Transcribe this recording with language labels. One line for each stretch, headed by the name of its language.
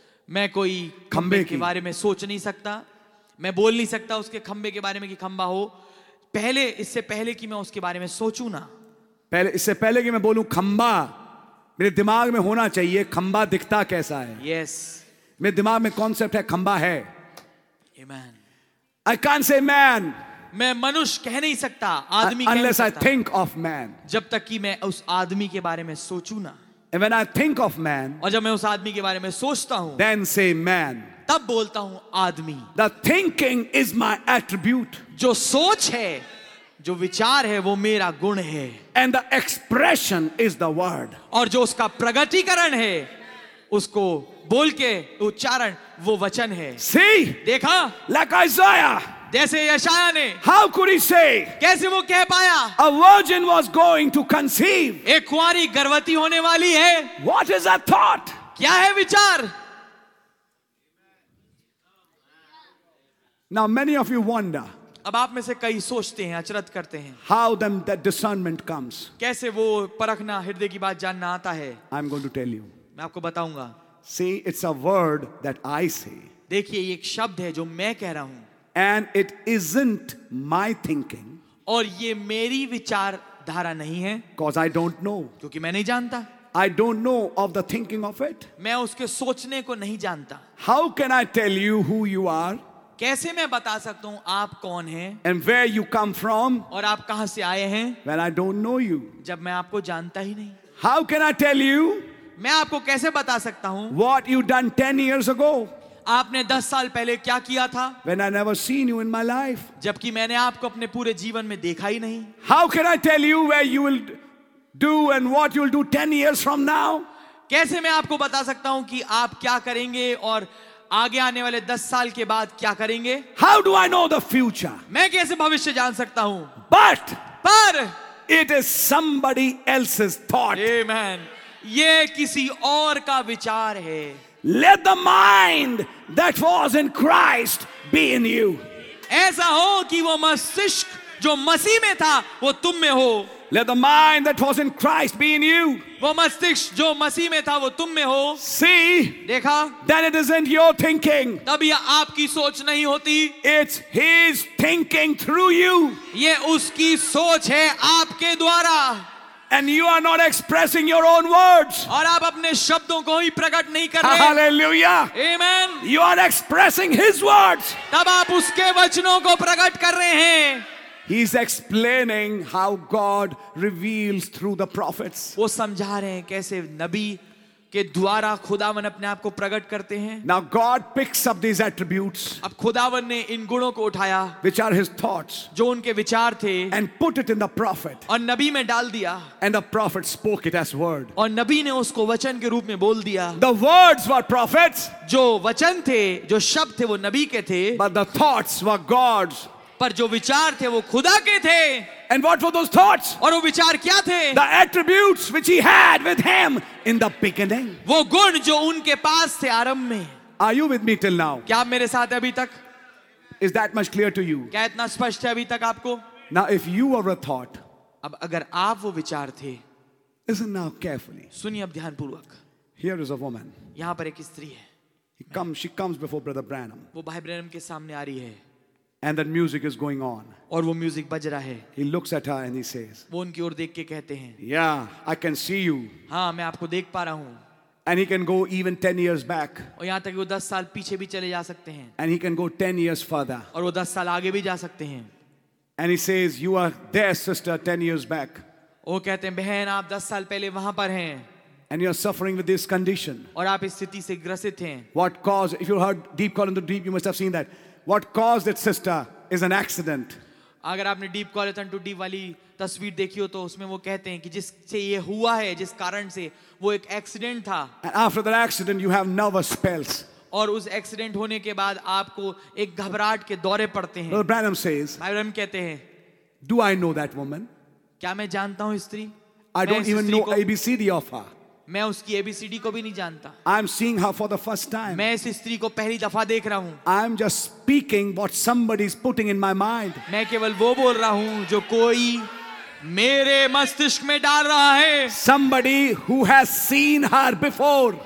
Hindi: मैं कोई खंबे के बारे में सोच नहीं सकता. मैं बोल नहीं सकता उसके खंबे के बारे में कि खंबा हो पहले इससे पहले कि मैं उसके बारे में सोचू ना. पहले इससे पहले कि मैं बोलूं खंबा मेरे दिमाग में होना चाहिए. खंबा दिखता कैसा है?
English: Yes.
Hindi: मेरे दिमाग में कॉन्सेप्ट है खंबा है.
English: Amen. I can't say man.
Hindi: मैं मनुष्य कह नहीं सकता आदमी.
English: Unless I think of man.
Hindi: जब तक कि मैं उस आदमी के बारे में सोचू ना.
English: And when I think of man,
Hindi: और जब मैं उस आदमी के बारे में सोचता हूँ,
English: then say man.
Hindi: तब बोलता हूँ आदमी.
English: The thinking is my attribute.
Hindi: जो सोच है, जो विचार है, वो मेरा गुण है.
English: And the expression is the word.
Hindi: और जो उसका प्रगतिकरण है, उसको बोल के उच्चारण वो वचन है.
English: See,
Hindi: देखा?
English: Like Isaiah.
Hindi: जैसे यशाया ने.
English: How could he say?
Hindi: कैसे वो कह पाया?
English: A virgin was going to conceive.
Hindi: एक कुंवारी गर्भवती होने वाली है.
English: What is a thought?
Hindi: क्या है विचार?
English: Now many of you wonder.
Hindi: अब आप में से कई सोचते हैं अचरत करते हैं.
English: How then that discernment comes?
Hindi: कैसे वो परखना हृदय की बात जानना आता है?
English: I'm going to tell you.
Hindi: मैं आपको बताऊंगा.
English: See, it's a word that I say.
Hindi: देखिए एक शब्द है जो मैं कह रहा हूं.
English: And it isn't my thinking.
Hindi: और ये मेरी विचारधारा नहीं है.
English: Because I don't know.
Hindi: क्योंकि मैं नहीं जानता.
English: I don't know of the thinking of it.
Hindi: मैं उसके सोचने को नहीं जानता.
English: How can I tell you who you are?
Hindi: कैसे मैं बता सकता हूँ आप कौन हैं?
English: And where you come from?
Hindi: और आप कहाँ से आए हैं?
English: When I don't know you.
Hindi: जब मैं आपको जानता ही नहीं.
English: How can I tell you?
Hindi: मैं आपको कैसे बता सकता हूँ?
English: What you done 10 years ago?
Hindi: आपने 10 साल पहले क्या किया था?
English: When I never seen you in my life.
Hindi: जबकि मैंने आपको अपने पूरे जीवन में देखा ही नहीं.
English: How can I tell you where you will do and what you will do 10 years from now?
Hindi: कैसे मैं आपको बता सकता हूँ कि आप क्या करेंगे और आगे आने वाले 10 साल के बाद क्या करेंगे?
English: How do I know the future?
Hindi: मैं कैसे भविष्य जान सकता हूँ?
English: But
Hindi: पर
English: it is somebody else's thought.
Hindi: Amen. ये किसी और का विचार है.
English: Let the mind that was in Christ be in you.
Hindi: ऐसा हो कि वो मस्तिष्क जो मसीह में था वो तुम में हो.
English: Let the mind that was in Christ be in you.
Hindi: वो मस्तिष्क जो मसीह में था वो तुम में हो.
English: See,
Hindi: देखा?
English: Then it isn't your thinking.
Hindi: तब ये आपकी सोच नहीं होती.
English: It's his thinking through you.
Hindi: ये उसकी सोच है आपके द्वारा.
English: And you are not expressing your own words.
Hindi: और आप अपने शब्दों को ही प्रकट नहीं कर रहे.
English: Hallelujah. Amen. You are expressing his words.
Hindi: तब आप उसके वचनों को प्रकट कर रहे हैं.
English: He's explaining how God reveals through the prophets.
Hindi: वो समझा रहे हैं कैसे नबी के द्वारा खुदावन अपने आप को प्रकट करते हैं.
English: Now God picks up these attributes.
Hindi: अब खुदावन ने इन गुणों को उठाया.
English: Which are his thoughts.
Hindi: जो उनके विचार थे.
English: And put it in the prophet.
Hindi: और नबी में डाल दिया.
English: And the prophet spoke it as word.
Hindi: और नबी ने उसको वचन के रूप में बोल दिया.
English: The words were prophets.
Hindi: जो वचन थे, जो शब्द थे, वो नबी के थे.
English: But the thoughts were God's.
Hindi: पर जो विचार थे वो खुदा के थे.
English: And what were those thoughts?
Hindi: और वो विचार क्या थे?
English: The attributes which he had with him in the beginning.
Hindi: वो गुण जो उनके पास थे आरंभ में.
English: Are you with me till now?
Hindi: क्या आप मेरे साथ हैं अभी तक?
English: Is that much clear to you?
Hindi: क्या इतना स्पष्ट है अभी तक आपको?
English: Now if you were a thought,
Hindi: अब अगर आप वो विचार थे,
English: listen now carefully.
Hindi: सुनिए अब ध्यान पूर्वक.
English: Here is a woman.
Hindi: यहाँ पर एक स्त्री है.
English: She comes before Brother Branham.
Hindi: वो भाई ब्रैनम के सामने आ रही है.
English: And that music is going on.
Hindi: और वो म्यूजिक बज रहा है.
English: He looks at her and he says.
Hindi: वो उनकी ओर देख के कहते हैं.
English: Yeah, I can see you.
Hindi: हाँ, मैं आपको देख पा रहा हूँ.
English: And he can go even 10 years back.
Hindi: और यहाँ तक वो 10 साल पीछे भी चले जा सकते हैं.
English: And he can go 10 years further.
Hindi: और वो 10 साल आगे भी जा सकते हैं.
English: And he says, "You are there, sister, 10 years back."
Hindi: वो कहते हैं, बहन, आप 10 साल पहले वहाँ पर हैं.
English: And you are suffering with this condition.
Hindi: और आप इस स्थिति से ग्रसित हैं.
English: What caused? If you heard deep call in the deep, you must have seen that. What caused it, sister, is an accident.
Hindi: अगर आपने deep call in the deep वाली तस्वीर देखी हो तो उसमें वो कहते हैं कि जिससे ये हुआ है, जिस कारण से, वो एक एक्सीडेंट था.
English: And after that accident, you have nervous spells.
Hindi: और उस एक्सीडेंट होने के बाद आपको एक घबराहट के दौरे पड़ते हैं.
English: Brother Branham says,
Hindi: Branham कहते हैं,
English: Do I know that woman?
Hindi: क्या मैं जानता हूँ स्त्री?
English: I don't even know ABCD of her.
Hindi: मैं उसकी एबीसीडी को भी नहीं जानता.
English: I'm seeing her for the first time.
Hindi: मैं इस स्त्री को पहली दफा देख रहा हूँ.
English: I'm just speaking what somebody is putting in my mind.
Hindi: मैं केवल वो बोल रहा हूँ जो कोई मेरे मस्तिष्क में डाल रहा है.
English: Somebody who has seen her before.